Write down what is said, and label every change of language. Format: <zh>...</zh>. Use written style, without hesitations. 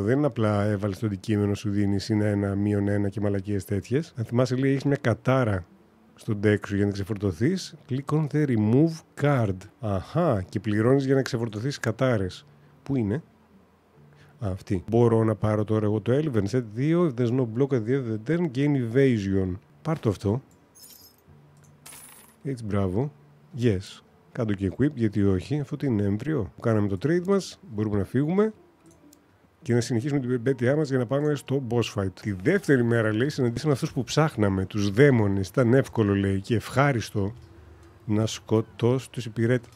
<el>Δεν είναι απλά έβαλες το αντικείμενο, σου δίνεις είναι ένα, μείον ένα και μαλακίες τέτοιες. Αν θυμάσαι, λέει, έχεις μια κατάρα στον deck σου για να ξεφορτωθείς.</el> <en>Click on the remove card.</en> <el>Αχα, και πληρώνεις για να ξεφορτωθείς κατάρες. Πού είναι? Α, αυτή. Μπορώ να πάρω τώρα εγώ το Elven Set 2.</el> <en>If there's no block at the end of the turn, gain evasion.</en> <el>Πάρ' το αυτό. Έτσι, μπράβο. Yes. Κάντο και equip, γιατί όχι, αφού είναι έμβριο. Κάναμε το trade μας, μπορούμε να φύγουμε και να συνεχίσουμε την περιπέτειά μας για να πάμε στο boss fight. Τη δεύτερη μέρα, λέει, συναντήσαμε αυτούς που ψάχναμε, τους δαίμονες. Ήταν εύκολο, λέει, και ευχάριστο να σκοτώσω τους υπηρέτες.</el>